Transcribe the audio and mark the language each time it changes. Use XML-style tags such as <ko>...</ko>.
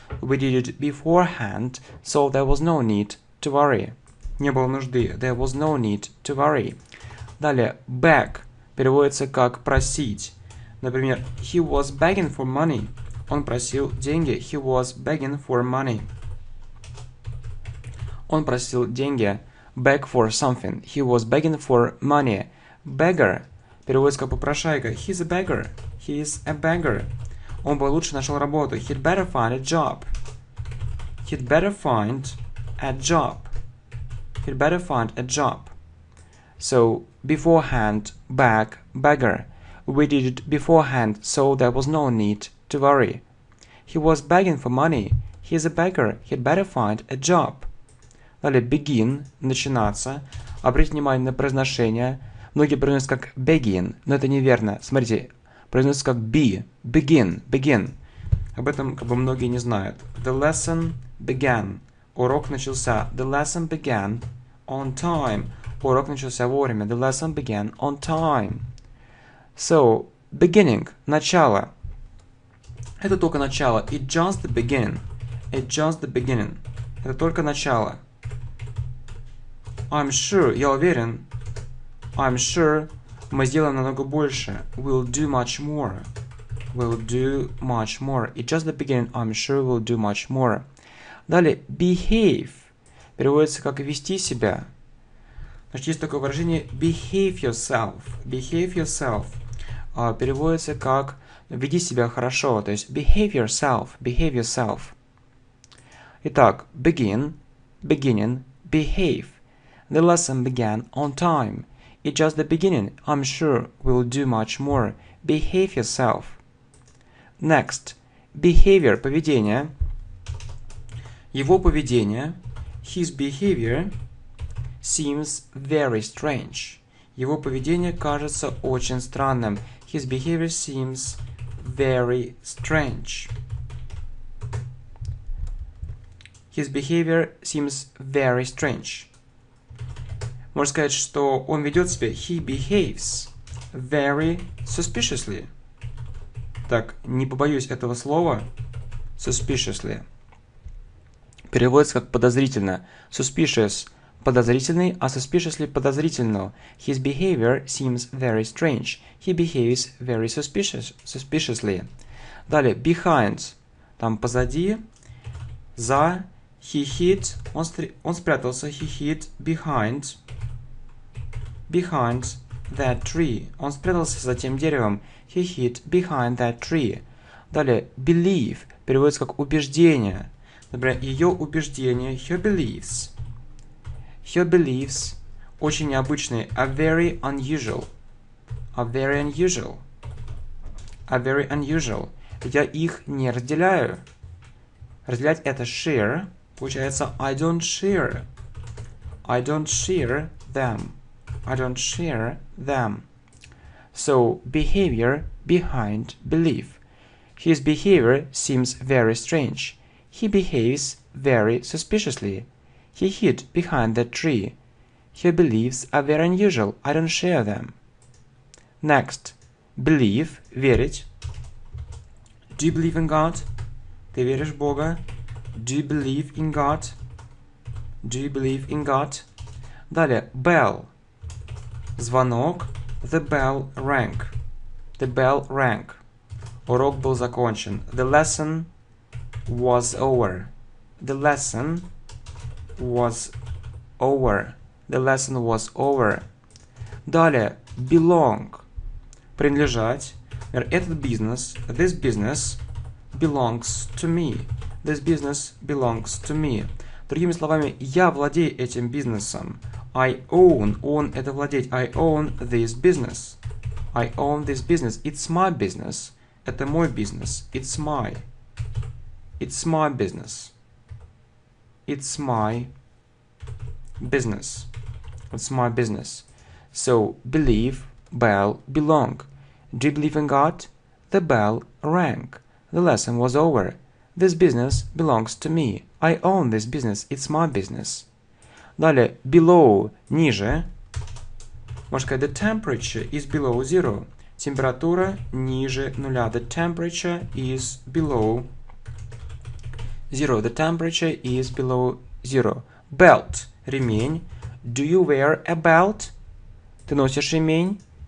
<en>We did it beforehand, so there was no need to worry.</en> <ru>Не было нужды.</ru> <en>There was no need to worry.</en> <ru>Далее, beg переводится как просить.</ru> <en>Например, he was begging for money.</en> <ru>Он просил деньги.</ru> <en>He was begging for money.</en> <ru>Он просил деньги.</ru> <en>Beg for something. He was begging for money.</en> <ru>Beggar переводится как попрошайка.</ru> <en>He's a beggar. He is a beggar.</en> <ru>Он бы лучше нашел работу.</ru> <en>He'd better find a job. He'd better find a job. He'd better find a job. So, beforehand, beg, beggar. We did it beforehand, so there was no need to worry. He was begging for money. He's a beggar. He'd better find a job.</en> <ru>Далее, begin, начинаться. Обратите внимание на произношение. Многие произносят как begin, но это неверно. Смотрите, произносится как be, begin, begin. Об этом как бы многие не знают.</ru> <en>The lesson began.</en> <ru>Урок начался.</ru> <en>The lesson began on time.</en> <ru>Урок начался вовремя.</ru> <en>The lesson began on time.</en> <ru>So, beginning. Начало. Это только начало.</ru> <en>It just the begin. It just the beginning.</en> <ru>Это только начало.</ru> <en>I'm sure.</en> <ru>Я уверен.</ru> <en>I'm sure.</en> <ru>Мы сделаем намного больше.</ru> <en>We'll do much more. We'll do much more. It's just the beginning. I'm sure we'll do much more. Далее, behave.</en> <ru>Переводится как вести себя. Значит, есть такое выражение</ru> <en>behave yourself. Behave yourself.</en> <ru>Переводится как веди себя хорошо. То есть,</ru> <en>behave yourself. Behave yourself. Итак, begin. Beginning. Behave. The lesson began on time. It's just the beginning. I'm sure we'll do much more. Behave yourself. Next. Behavior. Поведение.</en> <ru>Его поведение.</ru> <en>His behavior seems very strange.</en> <ru>Его поведение кажется очень странным.</ru> <en>His behavior seems very strange. His behavior seems very strange.</en> <ru>Можно сказать, что он ведет себя,</ru> <en>he behaves very suspiciously.</en> <ru>Так, не побоюсь этого слова, suspiciously. Переводится как подозрительно. Suspicious – подозрительный, а suspiciously – подозрительно.</ru> <en>His behavior seems very strange. He behaves very suspiciously.</en> <ru>Далее, behind – там позади, за, he hid – он спрятался,</ru> <en>he hid behind – behind that tree.</en> <ru>Он спрятался за тем деревом.</ru> <en>He hid behind that tree.</en> <ru>Далее, believe. Переводится как убеждение. Например, ее убеждение.</ru> <en>Her beliefs. Her beliefs.</en> <ru>Очень необычные.</ru> <en>A very unusual. A very unusual. A very unusual.</en> <ru>Я их не разделяю. Разделять это share.</ru> <en>Получается, I don't share. I don't share them. I don't share them. So, behavior behind belief. His behavior seems very strange. He behaves very suspiciously. He hid behind the tree. Her beliefs are very unusual. I don't share them. Next, believe, верить. Do you believe in God?</en> <ru>Ты веришь в Бога?</ru> <en>Do you believe in God? Do you believe in God? Далее, bell. Звонок, the bell rang, the bell rang.</en> <ru>Урок был закончен,</ru> <en>the lesson was over, the lesson was over, the lesson was over.</en> <ru>Далее, belong, принадлежать. Например, этот бизнес,</ru> <en>this business belongs to me, this business belongs to me.</en> <ru>Другими словами, я владею этим бизнесом.</ru> <en>I own,</en> <ru>он это владеть.</ru> <en>I own this business. I own this business. It's my business.</en> <ru>Это мой бизнес.</ru> <en>It's my. It's my business. It's my business. It's my business. So, believe, bell, belong. Do you believe in God? The bell rang. The lesson was over. This business belongs to me. I own this business. It's my business.</en> <ru>Далее, below, ниже.</ru> <en>Можно сказать, the temperature is below zero.</en> <ru>Температура ниже нуля.</ru> <en>The temperature is below zero. The temperature is below zero. Belt, ремень. Do you wear a belt?</en> <ru>Ты носишь ремень?</ru>